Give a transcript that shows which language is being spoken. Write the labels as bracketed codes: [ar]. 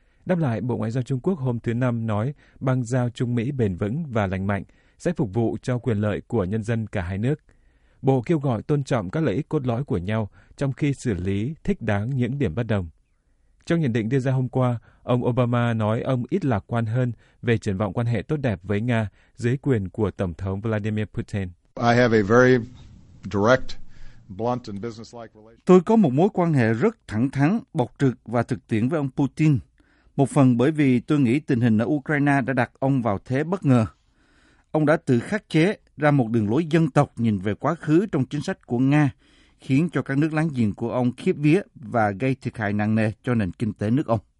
[vi] Đáp lại, Bộ Ngoại giao Trung Quốc hôm thứ Năm nói bang giao Trung Mỹ bền vững và lành mạnh sẽ phục vụ cho quyền lợi của nhân dân cả hai nước. Bộ kêu gọi tôn trọng các lợi ích cốt lõi của nhau trong khi xử lý thích đáng những điểm bất đồng. Trong nhận định đưa ra hôm qua, ông Obama nói ông ít lạc quan hơn về triển vọng quan hệ tốt đẹp với Nga dưới quyền của Tổng thống Vladimir Putin. [en] I have a very direct, blunt and business-like relationship. [vi] Tôi có một mối quan hệ rất thẳng thắn, bộc trực và thực tiễn với ông Putin. Một phần bởi vì tôi nghĩ tình hình ở Ukraine đã đặt ông vào thế bất ngờ. Ông đã tự khắc chế ra một đường lối dân tộc nhìn về quá khứ trong chính sách của Nga, khiến cho các nước láng giềng của ông khiếp vía và gây thiệt hại nặng nề cho nền kinh tế nước ông.